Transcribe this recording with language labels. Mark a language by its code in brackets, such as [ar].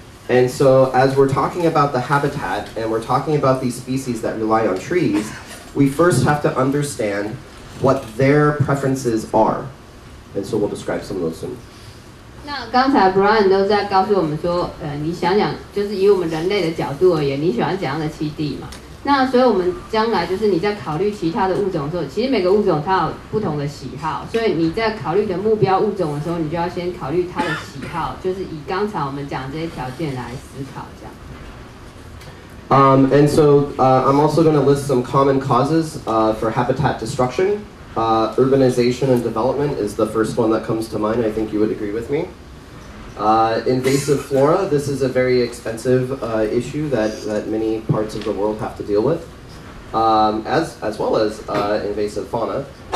[en] And so as we're talking about the habitat and we're talking about these species that rely on trees,We first have to understand what their preferences are, and so we'll describe some of those soon. [zh] 那刚才 Brian 都在告诉我们说，你想想，就是以我们人类的角度而言，你喜欢怎样的栖地嘛？那所以我们将来就是你在考虑其他的物种的时候，其实每个物种它有不同的喜好，所以你在考虑的目标物种的时候，你就要先考虑它的喜好，就是以刚才我们讲这些条件来思考这样。 [en] And so I'm also going to list some common causes for habitat destruction. Urbanization and development is the first one that comes to mind. I think you would agree with me. Invasive flora, this is a very expensive issue that many parts of the world have to deal with, as well as invasive fauna.